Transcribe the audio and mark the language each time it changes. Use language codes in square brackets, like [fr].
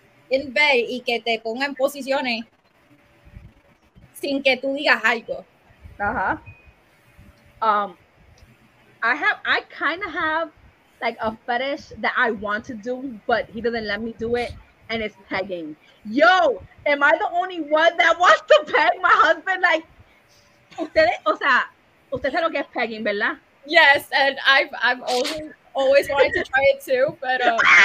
[es] en vez y que te ponga en posiciones sin que tú digas algo. Uh-huh. [en] I kind of have like a fetish that I want to do, but he doesn't let me do it, and it's pegging. Yo, am I the only one that wants to peg my husband? [es] Like, ustedes, o sea, ustedes saben lo que es pegging, ¿verdad? [en] Yes, and I've always wanted to try it too, pero...